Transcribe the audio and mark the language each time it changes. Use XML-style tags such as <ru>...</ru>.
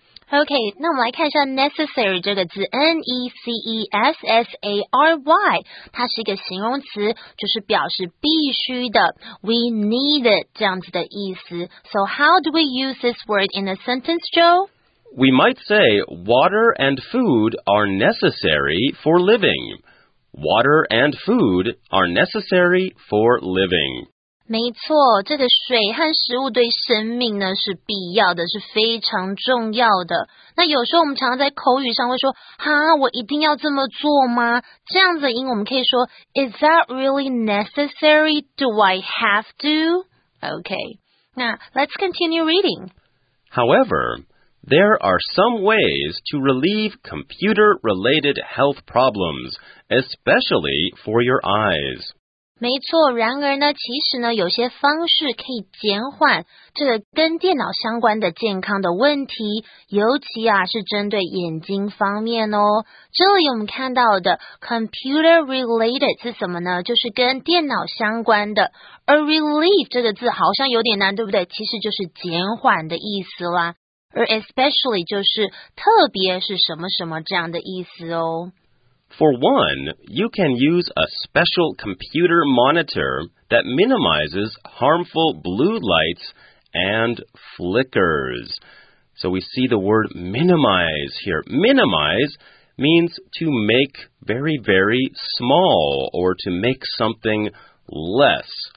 <zh>OK, 那我们来看一下 necessary 这个字 N-E-C-E-S-S-A-R-Y 它是一个形容词，就是表示必须的</zh> <en>We need it</en> <zh>这样子的意思。</zh> <en>So how do we use this word in a sentence, Joe? We might say water and food are necessary for living. Water and food are necessary for living.</en> <zh>没错，这个水和食物对生命呢是必要的，是非常重要的。那有时候我们常常在口语上会说，哈，我一定要这么做吗？这样子的音我们可以说 ，</zh> <en>Is that really necessary? Do I have to? Okay. Now, let's continue reading. However, there are some ways to relieve computer-related health problems, especially for your eyes.</en> <zh>没错，然而呢，其实呢，有些方式可以减缓这个跟电脑相关的健康的问题，尤其啊，是针对眼睛方面哦。这里我们看到的 computer related 是什么呢？就是跟电脑相关的。而 relieve 这个字好像有点难，对不对？其实就是减缓的意思啦。而 especially 就是特别是什么什么这样的意思哦。</zh> <en>For one, you can use a special computer monitor that minimizes harmful blue lights and flickers. So we see the word minimize here. Minimize means to make very, very small or to make something less.</en>